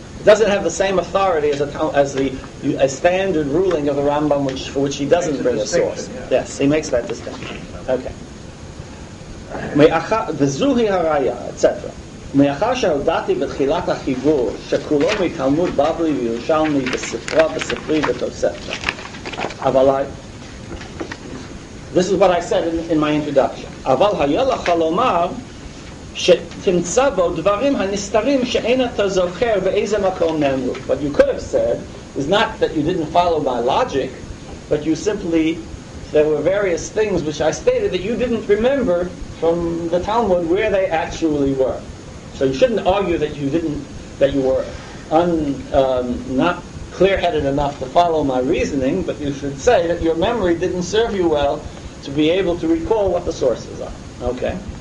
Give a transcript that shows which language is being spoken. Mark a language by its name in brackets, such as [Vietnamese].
[English] It doesn't have the same authority as a standard ruling of the Rambam, for which he doesn't bring a source. Yeah. Yes, he makes that distinction. Okay. [Hebrew] מאחר וזוהי הראיה, etc. מאחר שהודעתי בתחילת החיבור שכולו מתלמוד בבלי וירושלמי בספרה בספרי בתוספתא. [English] אבל This is what I said in my introduction. [Hebrew] אבל היה לך לומר שתמצא בו דברים הנסתרים שאין אתה זוכר באיזה מקום נאמרו. [English] What you could have said is not that you didn't follow my logic, but you simply, there were various things which I stated that you didn't remember from the Talmud where they actually were. So you shouldn't argue that you were not clear-headed enough to follow my reasoning, but you should say that your memory didn't serve you well to be able to recall what the sources are. Okay?